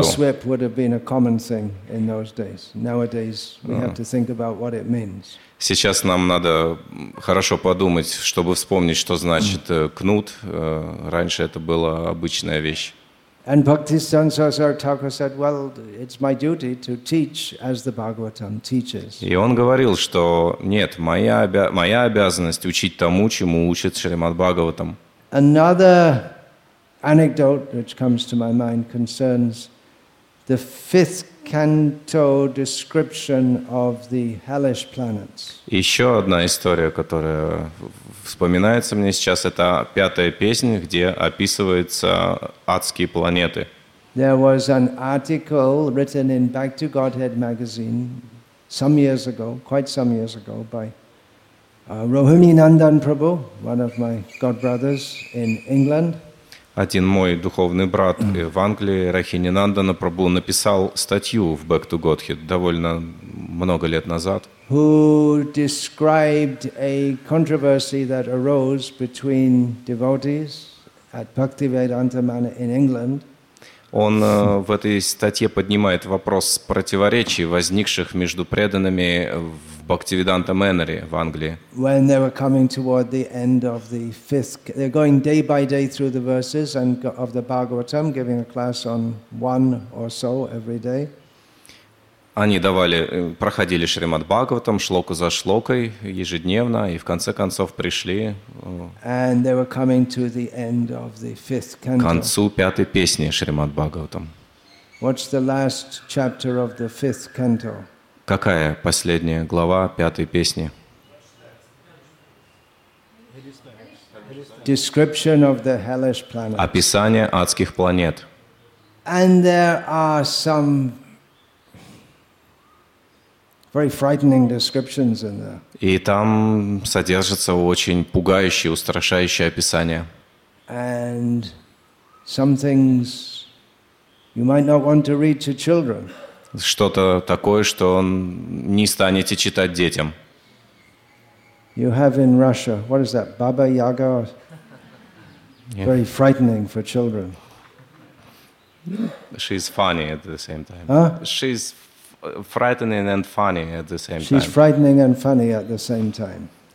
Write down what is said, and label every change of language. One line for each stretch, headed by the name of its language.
English: A horse whip would have been a common thing in those days. Nowadays we have to think about what it means.
Russian: Сейчас нам надо хорошо подумать, чтобы вспомнить, что значит кнут. Раньше это была обычная вещь. И он говорил, что нет, моя обязанность учить тому, чему учит Шримад Бхагаватам.
English: Another anecdote which comes to my mind concerns the fifth canto description of the hellish planets.
Russian: Еще одна история, которая вспоминается мне сейчас, это пятая песня, где описываются адские планеты.
English: There was an article written in Back to Godhead magazine quite some years ago, by Rohini Nandan Prabhu, one of my god brothers in England.
Russian: Один мой духовный брат в Англии, Рахини Нандана Прабу, написал статью в Back to Godhead довольно много лет назад,
English: who described a controversy that arose between devotees at Bhaktivedanta Manor in England.
Russian: Он в этой статье поднимает вопрос противоречий, возникших между преданными в Бхактивиданта Мэннере в Англии.
English: When they were coming toward the end of the fifth, they're going day by day through the verses and of the Bhagavatam, giving a class on one or so every day.
Russian: Они проходили Шримад Бхагаватам шлоку за шлокой ежедневно и в конце концов пришли к концу пятой песни Шримад Бхагаватам.
English: What's the last chapter of the fifth canto?
Russian: Какая последняя глава пятой песни?
English: Description of the hellish planet.
Russian: Описание адских планет.
English: And there are some very frightening descriptions in there.
Russian: И там содержится очень пугающее, устрашающее описание.
English: And some things you might not want to read to children.
Russian: Что-то такое, что не станете читать детям.
English: You have in Russia, what is that, Baba Yaga? Yeah. Very frightening for children. She's funny at the same time. Huh? She's frightening and funny at the same time. She's frightening and funny at the same time.